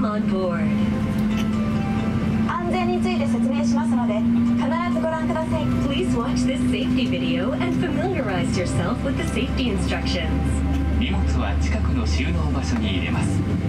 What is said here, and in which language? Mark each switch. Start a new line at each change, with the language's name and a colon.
Japanese: 安全について説明しますので、必ずご覧ください。
English: Please watch this safety video and familiarize yourself with the safety instructions.
Japanese: 荷物は近くの収納場所に入れます。